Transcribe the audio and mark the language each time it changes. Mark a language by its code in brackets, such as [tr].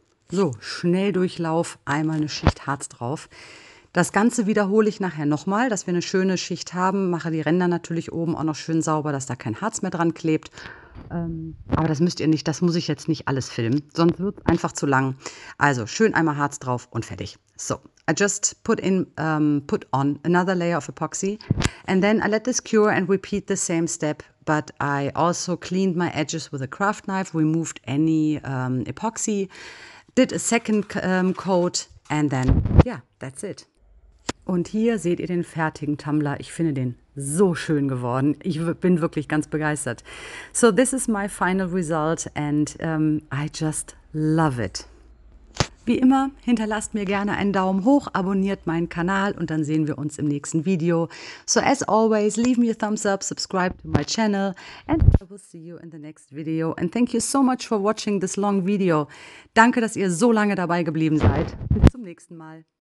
[de] So, Schnelldurchlauf, einmal eine Schicht Harz drauf. Das Ganze wiederhole ich nachher nochmal, dass wir eine schöne Schicht haben. Mache die Ränder natürlich oben auch noch schön sauber, dass da kein Harz mehr dran klebt. Aber das müsst ihr nicht, das muss ich jetzt nicht alles filmen, sonst wird es einfach zu lang. Also, schön einmal Harz drauf und fertig. [en] So, I just put on another layer of epoxy. And then I let this cure and repeat the same step. But I also cleaned my edges with a craft knife, removed any epoxy. Did a second coat and then, yeah, that's it. [de] Und hier seht ihr den fertigen Tumbler. Ich finde den so schön geworden. Ich bin wirklich ganz begeistert. [en] So, this is my final result and I just love it. [de] Wie immer, hinterlasst mir gerne einen Daumen hoch, abonniert meinen Kanal und dann sehen wir uns im nächsten Video. [en] So, as always, leave me a thumbs up, subscribe to my channel and I will see you in the next video. And thank you so much for watching this long video. [de] Danke, dass ihr so lange dabei geblieben seid. Bis zum nächsten Mal.